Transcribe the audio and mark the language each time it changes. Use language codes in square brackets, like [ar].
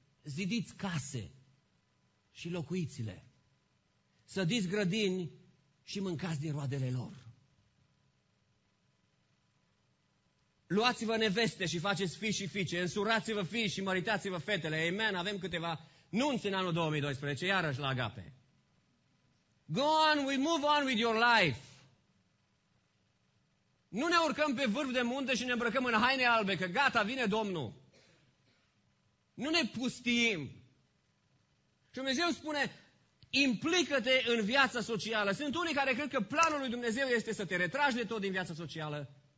[ro] Zidiți case și locuiți-le, sădiți grădini și mâncați din roadele lor. Luați-vă neveste și faceți fii și fiice, însurați-vă fii și măritați-vă fetele. Amen, avem câteva nunți în anul 2012, iarăși la Agape. [en] Go on, we move on with your life. [ro] Nu ne urcăm pe vârf de munte și ne îmbrăcăm în haine albe, că gata, vine Domnul. Nu ne pustiim. Și Dumnezeu spune, implică-te în viața socială. Sunt unii care cred că planul lui Dumnezeu este să te retragi de tot din viața socială.